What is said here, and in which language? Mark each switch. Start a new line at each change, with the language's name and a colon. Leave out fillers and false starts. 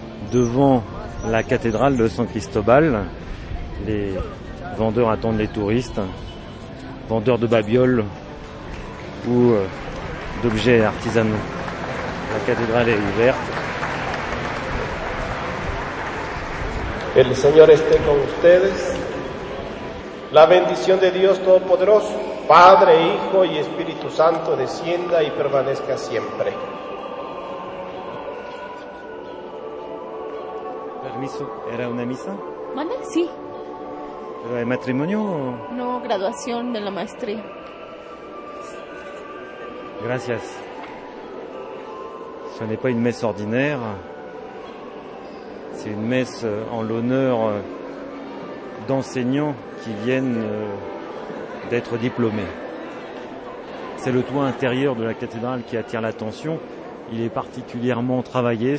French: Devant la cathédrale de San Cristobal, les vendeurs attendent les touristes, vendeurs de babioles ou d'objets artisanaux. La cathédrale est ouverte.
Spanish: El Señor esté con ustedes. La bendición de Dios Todopoderoso, Padre, Hijo y Espíritu Santo, descienda y permanezca siempre. Permiso, ¿era una misa? ¿Vale? Sí. ¿Pero hay matrimonio o...? No, graduación de la maestría. Gracias.
French: Ce n'est pas une messe ordinaire. C'est une messe en l'honneur d'enseignants qui viennent d'être diplômés. C'est le toit intérieur de la cathédrale qui attire l'attention. Il est particulièrement travaillé.